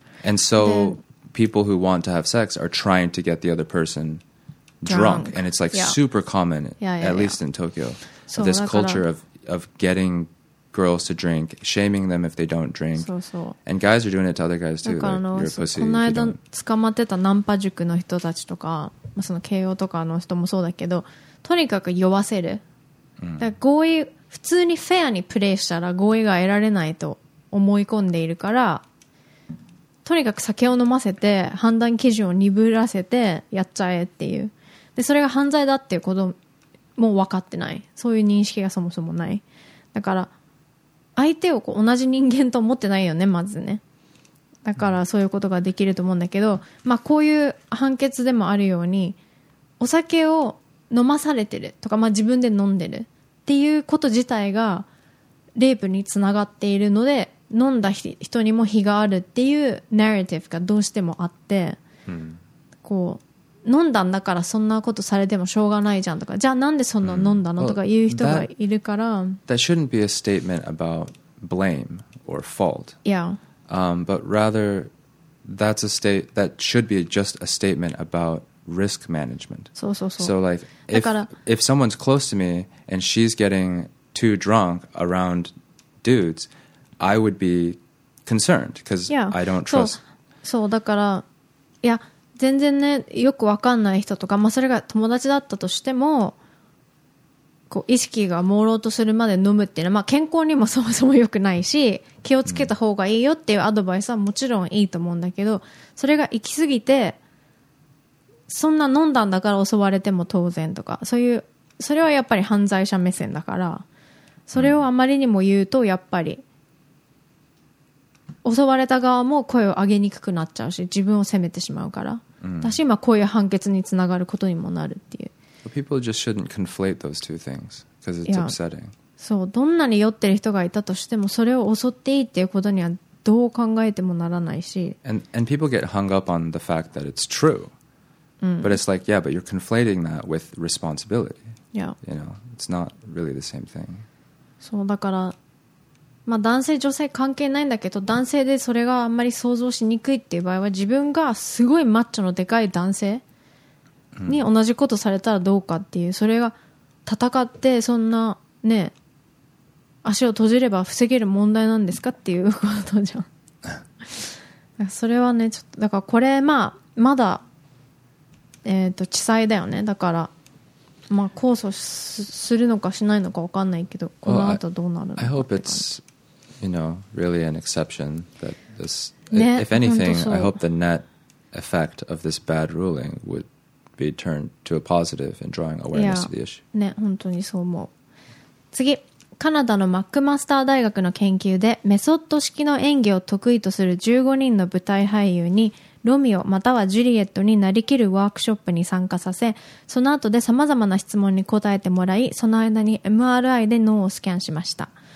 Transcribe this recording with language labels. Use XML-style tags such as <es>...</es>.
<en>and so then, people who want to have sex are trying to get the other person drunk and it's like、 yeah. super common yeah, yeah, at least in Tokyo、 so、 this culture of getting girls to drink, shaming them if they don't drink and guys are doing it to other guys too、like, you're a pussy</en> <ja>この間捕まってたナンパ塾の人たちとか、まあ、その慶応とかの人もそうだけど、とにかく酔わせる、だから合意、普通にフェアにプレイしたら合意が得られないと思い込んでいるから、とにかく酒を飲ませて判断基準を鈍らせてやっちゃえっていう、でそれが犯罪だっていうことも分かってない、そういう認識がそもそもない、だから相手をこう同じ人間と思ってないよね、まずね。だからそういうことができると思うんだけど、まあ、こういう判決でもあるようにお酒を飲まされてるとか、まあ、自分で飲んでるっていうこと自体がレイプにつながっているので、飲んだ人にも非があるっていうナラティブがどうしてもあって、うん、こう飲んだんだからそんなことされてもしょうがないじゃんとか、じゃあなんでそんな飲んだの、うん、とか言う人がいるから、</ja> <en>That shouldn't be a statement about blame or fault. Yeah. But rather, that should be just a statement about risk management.</en> <ja>そうそうそう。</ja> <en>So like, if someone's close to me and she's getting too drunk around dudes, I would be concerned because、 yeah. I don't trust.</en> <ja>そうだから、いや。全然ねよくわかんない人とか、まあ、それが友達だったとしても、こう意識が朦朧とするまで飲むっていうのは、まあ、健康にもそもそも良くないし、気をつけた方がいいよっていうアドバイスはもちろんいいと思うんだけど、それが行き過ぎてそんな飲んだんだから襲われても当然とか、そういう、それはやっぱり犯罪者目線だから、それをあまりにも言うとやっぱり襲われた側も声を上げにくくなっちゃうし、自分を責めてしまうから、うん、私今こういう判決につながることにもなるっていう、</ja> <en>People just shouldn't conflate those two things because it's upsetting.</en> <ja>そう、どんなに酔ってる人がいたとしてもそれを襲っていいっていうことにはどう考えてもならないし、</ja> <en>and people get hung up on the fact that it's true、</en> <ja>うん、</ja> <en>but it's like yeah but you're conflating that with responsibility、 yeah. you know, it's not really the same thing.</en> <ja>そうだから、まあ、男性女性関係ないんだけど、男性でそれがあんまり想像しにくいっていう場合は、自分がすごいマッチョのでかい男性に同じことされたらどうかっていう、それが戦ってそんなね足を閉じれば防げる問題なんですかっていうことじゃん。それはね、ちょっとだからこれ、まあまだ地裁だよね。だから、まあ、控訴するのかしないのか分かんないけど、この後どうなるのか。</ja> <en>I hope it's, you know, really an exception that this, if anything, I hope the net effect of this bad ruling would be turned to a positive in drawing awareness to the issue.</en> <ja>ね、本当にそう思う。次、カナダのマックマスター大学の研究で、メソッド式の演技を得意とする15人の舞台俳優に、ロミオまたはジュリエットになりきるワークショップに参加させ、その後で様々な質問に答えてもらい、その間に MRI で脳をスキャンしました。</ja>